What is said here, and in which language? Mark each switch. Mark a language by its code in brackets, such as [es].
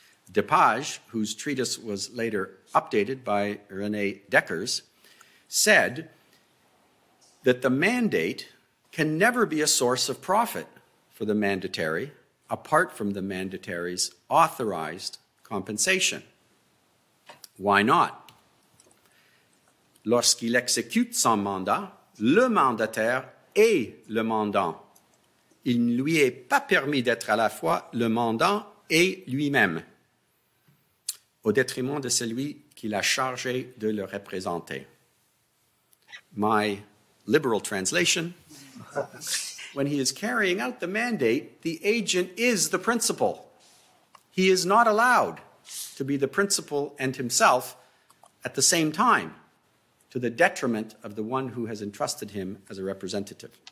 [en] Depage, whose treatise was later updated by René Descartes, said that the mandate can never be a source of profit for the mandatory apart from the mandatory's authorized compensation. Why not? [fr] Lorsqu'il exécute son mandat, le mandataire est le mandant. Il ne lui est pas permis d'être à la fois le mandant et lui-même, au détriment de celui qui l'a chargé de le représenter. [en] My liberal translation. When he is carrying out the mandate, the agent is the principal. He is not allowed to be the principal and himself at the same time, to the detriment of the one who has entrusted him as a representative.